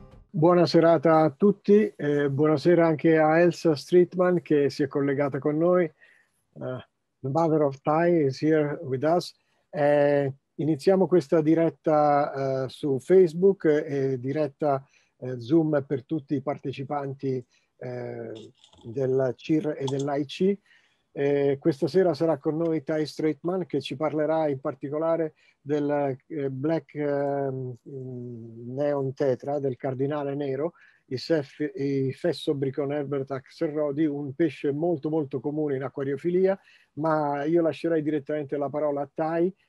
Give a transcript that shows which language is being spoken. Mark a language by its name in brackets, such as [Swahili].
[Italian] Buona serata a tutti, buonasera anche a Elsa Strietman che si è collegata con noi. [English] The mother of Thai is here with us. [Italian] Iniziamo questa diretta su Facebook, diretta Zoom per tutti i partecipanti della C.I.R e dell'AIC. Questa sera sarà con noi Thai Strietman che ci parlerà in particolare del black neon tetra del cardinale nero, il fesso bricon herbertaxelrodi, un pesce molto molto comune in acquariofilia, ma io lascerei direttamente la parola a Thai.